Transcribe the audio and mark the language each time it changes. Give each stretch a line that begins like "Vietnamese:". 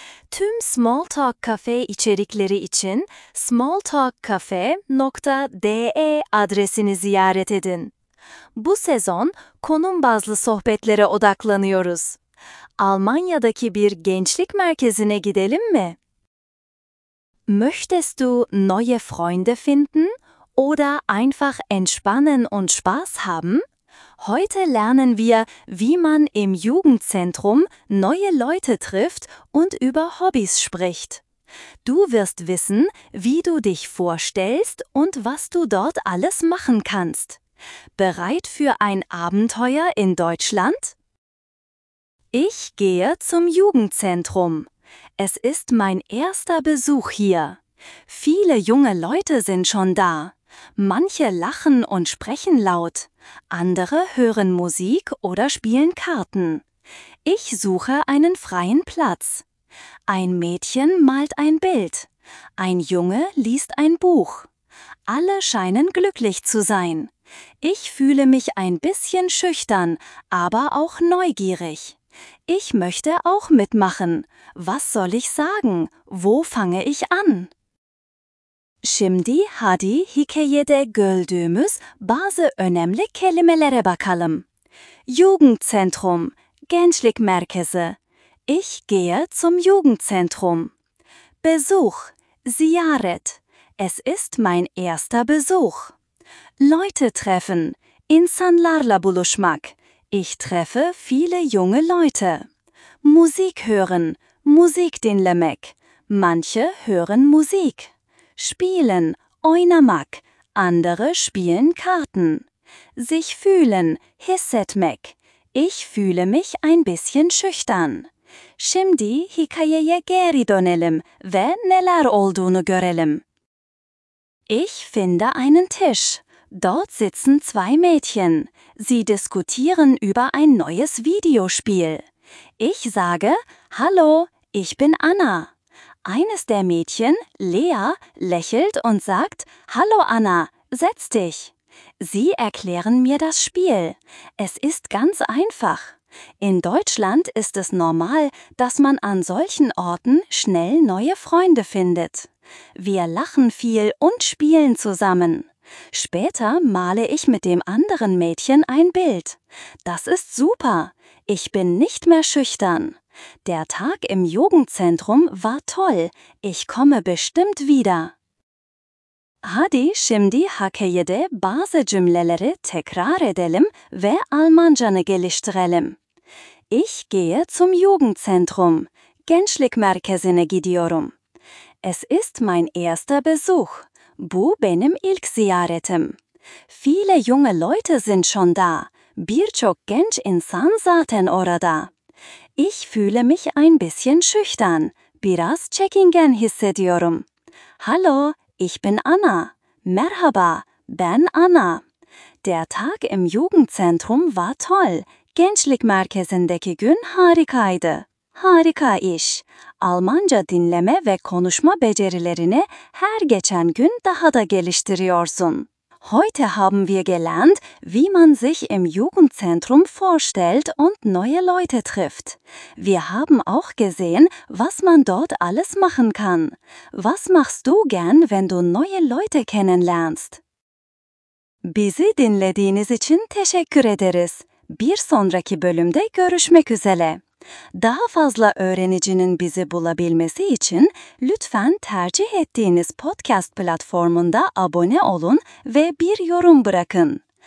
Turkish: Tüm Small Talk Cafe içerikleri için smalltalkcafe.de adresini ziyaret edin. Bu sezon konum bazlı sohbetlere odaklanıyoruz. Almanya'daki bir gençlik merkezine gidelim mi?
German: Möchtest du neue Freunde finden oder einfach entspannen und Spaß haben? Heute lernen wir, wie man im Jugendzentrum neue Leute trifft und über Hobbys spricht. Du wirst wissen, wie du dich vorstellst und was du dort alles machen kannst. Bereit für ein Abenteuer in Deutschland? Ich gehe zum Jugendzentrum. Es ist mein erster Besuch hier. Viele junge Leute sind schon da. Manche lachen und sprechen laut. Andere hören Musik oder spielen Karten. Ich suche einen freien Platz. Ein Mädchen malt ein Bild. Ein Junge liest ein Buch. Alle scheinen glücklich zu sein. Ich fühle mich ein bisschen schüchtern, aber auch neugierig. Ich möchte auch mitmachen. Was soll ich sagen? Wo fange ich an?
Turkish: Şimdi hadi hikayede gördüğümüz bazı önemli kelimelere bakalım. Jugendzentrum, Gençlik Merkezi.
German: Ich gehe zum Jugendzentrum. Besuch, Ziyaret. Es ist mein erster Besuch. Leute treffen,
Turkish: insanlarla buluşmak.
German: Ich treffe viele junge Leute. Musik hören,
Turkish: Musik dinlemek.
German: Manche hören Musik. Spielen, oynamak. Andere spielen Karten. Sich fühlen, hissetmek. Ich fühle mich ein bisschen schüchtern.
Turkish: Şimdi hikayeye geri dönelim ve neler olduğunu görelim.
German: Ich finde einen Tisch. Dort sitzen zwei Mädchen. Sie diskutieren über ein neues Videospiel. Ich sage, hallo, ich bin Anna. Eines der Mädchen, Lea, lächelt und sagt, hallo Anna, setz dich. Sie erklären mir das Spiel. Es ist ganz einfach. In Deutschland ist es normal, dass man an solchen Orten schnell neue Freunde findet. Wir lachen viel und spielen zusammen. Später male ich mit dem anderen Mädchen ein Bild. Das ist super. Ich bin nicht mehr schüchtern. Der Tag im Jugendzentrum war toll. Ich komme bestimmt wieder.
Turkish: Hadi şimdi hikayede bazı cümleleri tekrar edelim ve Almancanı geliştirelim.
German: Ich gehe zum Jugendzentrum.
Turkish: Gençlik merkezine gidiyorum.
German: Es ist mein erster Besuch.
Turkish: Bu benim ilk ziyaretim.
German: Viele junge Leute sind schon da.
Turkish: Birçok genç insan zaten orada.
German: Ich fühle mich ein bisschen schüchtern.
Turkish: Biraz çekingen hissediyorum.
German: Hallo, ich bin Anna.
Turkish: Merhaba, ben Anna.
German: Der Tag im Jugendzentrum war toll.
Turkish: Gençlik merkezindeki gün harikaydı. Harika iş. Almanca dinleme ve konuşma becerilerini her geçen gün daha da geliştiriyorsun.
German: Heute haben wir gelernt, wie man sich im Jugendzentrum vorstellt und neue Leute trifft. Wir haben auch gesehen, was man dort alles machen kann. Was machst du gern, wenn du neue Leute kennenlernst?
Turkish: Bizi dinlediğiniz için teşekkür ederiz. Bir sonraki bölümde görüşmek üzere. Daha fazla öğrencinin bizi bulabilmesi için lütfen tercih ettiğiniz podcast platformunda abone olun ve bir yorum bırakın.